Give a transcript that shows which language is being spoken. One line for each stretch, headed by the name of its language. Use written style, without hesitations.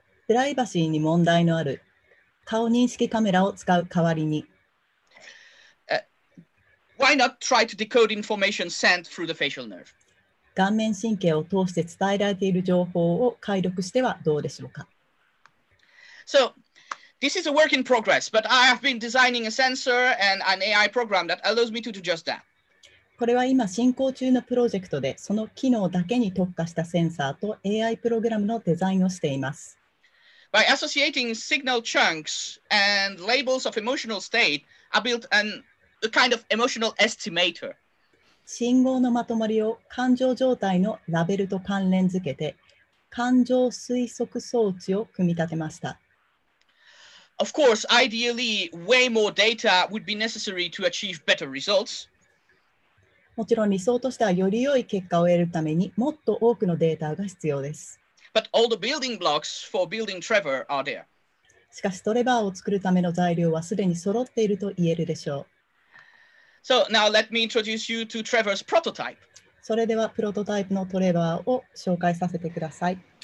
Japanese: プライバシーに問題のある顔認識カメラを使う代わりに
English: Why not try to decode information sent through the facial nerve?
Japanese: 顔面神経を通して伝えられている情報を解読してはどうでしょうか
English: So,This is a work in progress, but I have been designing a sensor and an AI program that allows me to do just that.
Japanese: これは今進行中のプロジェクトで、その機能だけに特化したセンサーと AI プログラムのデザインをしています。
English: By associating signal chunks and labels of emotional state, I built a kind of emotional estimator.
Japanese: 信号のまとまりを感情状態のラベルと関連付けて、感情推測装置を組み立てました。
English: Of course, ideally, way more data would be necessary to achieve better results.
Japanese: もちろん理想としてはより良い結果を得るためにもっと多くのデータが必要です。
English: But all the building blocks for building Trevor are there.
Japanese: しかしトレバーを作るための材料はすでに揃っていると言えるでしょう。
English: So now let me introduce you to Trevor's prototype.
Japanese: それではプロトタイプのトレバーを紹介させてください。